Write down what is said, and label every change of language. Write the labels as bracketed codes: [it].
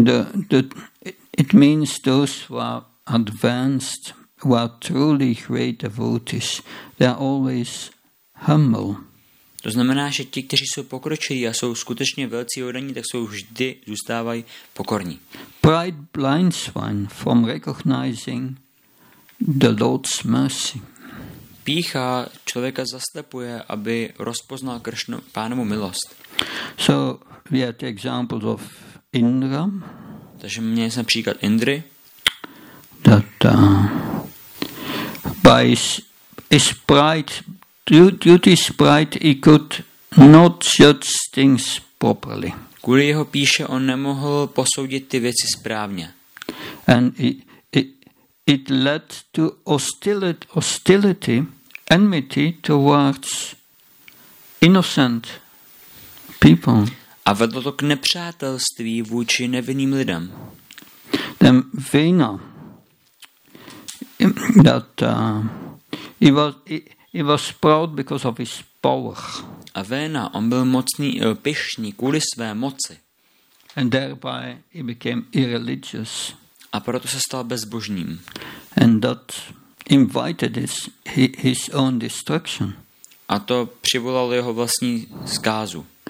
[en] It means those who are advanced, who are truly great devotees, they are always humble. [cs] To znamená, že ti, kteří jsou pokročilí a jsou skutečně velcí odaní, tak jsou vždy zůstávají pokorní. [en] Pride blinds one from recognizing the Lord's mercy. [cs] Pýcha člověka zaslepuje, aby rozpoznal Kršnu, pánovu milost. [en] So we had examples of Indra. [cs] Takže měli jsme příklad Indry. [en] That by his pride, due to his pride, he could not judge things properly. [cs] Kvůli jeho píše, on nemohl posoudit ty věci správně. [en] And it led to hostility, enmity towards innocent people. [cs] A vedlo to k nepřátelství vůči nevinným lidem. [en] Then Vena, he was proud because of his power. [cs] A Vena, on byl mocný, pyšný kvůli své moci. [en] And thereby he became irreligious. [cs] A proto se stal bezbožným. [en] And that invited his own destruction. [cs] A to přivolalo jeho vlastní zkázu.